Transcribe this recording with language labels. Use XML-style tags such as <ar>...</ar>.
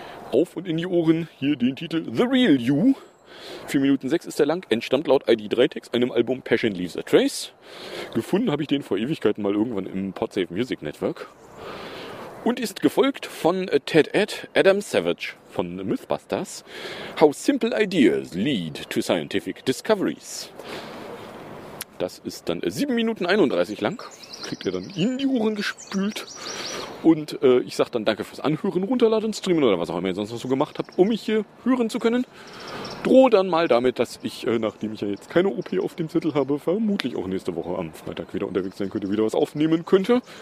<de>Auf und in die Ohren hier den Titel The Real You. 4 Minuten 6 ist der lang. Entstammt laut ID3Text einem Album Passion Leaves a Trace. Gefunden habe ich den vor Ewigkeiten mal irgendwann im Podsafe Music Network. Und ist gefolgt von Ted Ed Adam Savage von Mythbusters.</de> <en>How simple ideas lead to scientific discoveries.</en> <de>Das ist dann 7 Minuten 31 lang. Kriegt er dann in die Ohren gespült. Und ich sage dann danke fürs Anhören, runterladen, streamen oder was auch immer ihr sonst noch so gemacht habt, um mich hier hören zu können. Droh dann mal damit, dass ich, nachdem ich ja jetzt keine OP auf dem Zettel habe, vermutlich auch nächste Woche am Freitag wieder unterwegs sein könnte, wieder was aufnehmen könnte.</de>